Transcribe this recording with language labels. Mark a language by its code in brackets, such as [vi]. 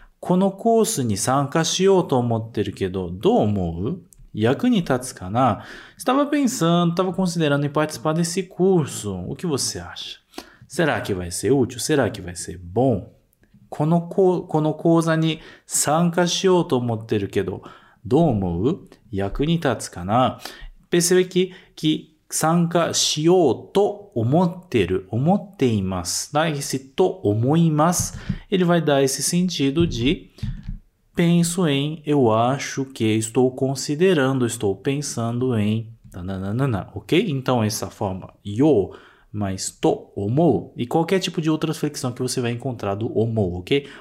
[ja] このコースに参加しようと思ってるけど、どう思う？ Yaku ni tatsu kana? [pt] Estava pensando, estava considerando em participar desse curso. O que você acha? Será que vai ser útil? Será que vai ser bom? [ja] この講座に参加しようと思ってるけど、どう思う？役に立つかな？ [pt] Percebe que [ja] 参加しようと思ってる。思っています。ダイスと思います。 [pt] ele vai dar esse sentido de penso em, eu acho que estou considerando, estou pensando em, nananana, ok? Então, essa forma, yo, mas to, omou, e qualquer tipo de outra flexão que você vai encontrar do omou, ok?